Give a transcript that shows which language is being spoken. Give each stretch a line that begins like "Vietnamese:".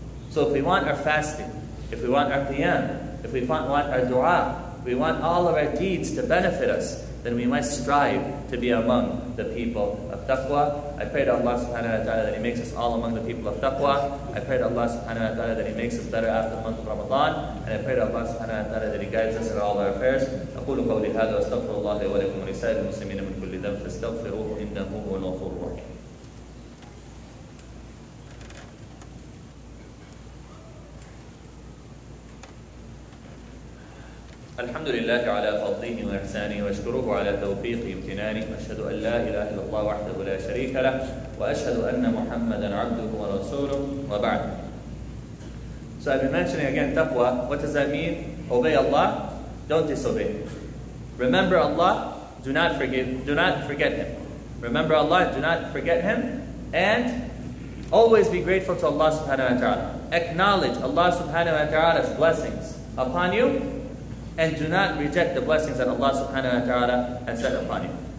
English: So if we want our fasting, if we want our qiyam, if we want our dua, we want all of our deeds to benefit us, then we must strive to be among the people of taqwa. I pray to Allah subhanahu wa ta'ala that He makes us all among the people of taqwa. I pray to Allah subhanahu wa ta'ala that He makes us better after the month of Ramadan. And I pray to Allah subhanahu wa ta'ala that He guides us in all our affairs.
Arabic: أقول قولي هذا واستغفر الله لي ولكم ولسائر المسلمين من كل ذنب فاستغفروه إنه هو الغفور الرحيم. الحمد لله على فضله وإحسانه وأشكره على توفيقه وامتنانه وأشهد أن لا إله إلا الله وحده لا شريك له وأشهد أن محمدا عبده ورسوله وبعد.
English: So I've been mentioning again taqwa. What does that mean? Obey Allah, don't disobey. Remember Allah, do not forget Him. Remember Allah, do not forget Him, and always be grateful to Allah subhanahu wa ta'ala. Acknowledge Allah subhanahu wa ta'ala's blessings upon you, and do not reject the blessings that Allah subhanahu wa ta'ala has set upon you.